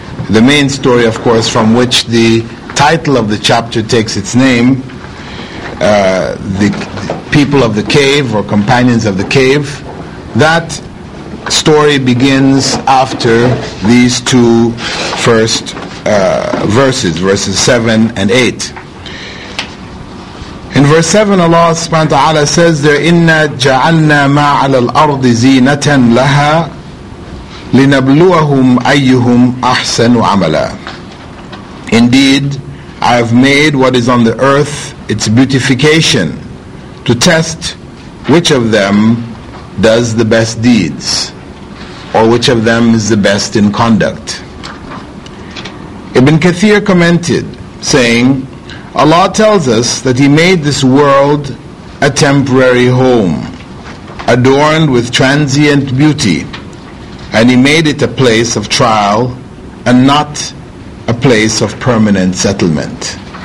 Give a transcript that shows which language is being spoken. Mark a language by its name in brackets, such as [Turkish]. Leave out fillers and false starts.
[English] The main story, of course, from which the title of the chapter takes its name, the people of the cave, or companions of the cave, that story begins after these two first verses 7 and 8. In verse 7, Allah subhanahu wa ta'ala says there, [Arabic] إِنَّا جَعَلْنَا مَا عَلَى الْأَرْضِ زِينَةً لَهَا لِنَبْلُوَهُمْ أَيُّهُمْ أَحْسَنُ عَمَلًا. [English] Indeed, I have made what is on the earth its beautification, to test which of them does the best deeds, or which of them is the best in conduct. Ibn Kathir commented, saying, Allah tells us that He made this world a temporary home, adorned with transient beauty, and He made it a place of trial and not a place of permanent settlement.